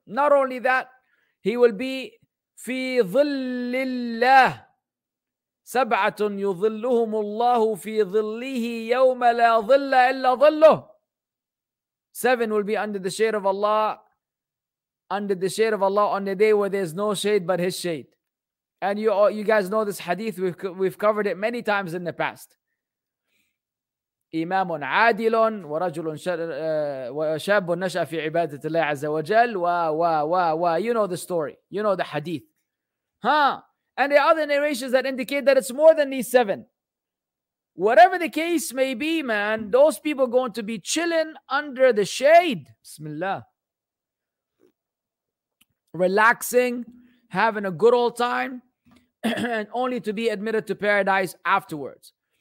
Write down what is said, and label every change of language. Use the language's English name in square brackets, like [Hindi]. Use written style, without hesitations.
[English] Not only that, he will be [Arabic] في ظل الله سبعة يظلهم الله في ظله يوم لا ظل إلا ظله. [English] Seven will be under the shade of Allah, under the shade of Allah on the day where there's no shade but His shade. And you guys know this hadith. We've covered it many times in the past. [Arabic] إمام عادل ورجل شاب نشأ في عبادة الله عز وجل و [English] you know the story, you know the hadith, huh? And there are other narrations that indicate that it's more than these seven. Whatever the case may be, man, those people are going to be chilling under the shade, bismillah, relaxing, having a good old time, and only to be admitted to paradise afterwards.